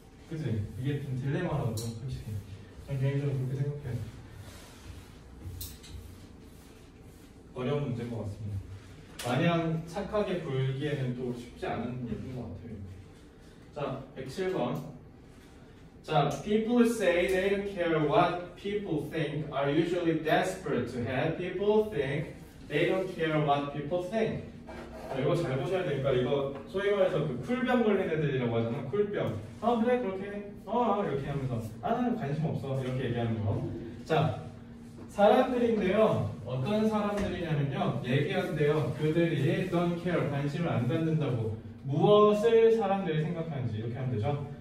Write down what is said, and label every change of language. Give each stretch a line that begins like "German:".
Korean: 그치? 이게 좀 딜레마라고, 솔직히. 난 개인적으로 그렇게 생각해. 어려운 문제인 것 같습니다. 마냥 착하게 굴기에는 또 쉽지 않은 일인 것 같아요. 자, 107번.
English: 자, people say they don't care what people think are usually desperate to have people think they don't care what people think.
Korean: 자, 이거 잘 보셔야 되니까 이거 소위 말해서 그 쿨병 걸린 애들이라고 하잖아. 쿨병. 아, 그래, 그렇게 해. 이렇게 하면서 아, 나는 관심 없어. 이렇게 얘기하는 거. 자, 사람들인데요. 어떤 사람들이냐면요. 얘기한대요. 그들이 don't care, 관심을 안 갖는다고 무엇을 사람들이 생각하는지 이렇게 하면 되죠.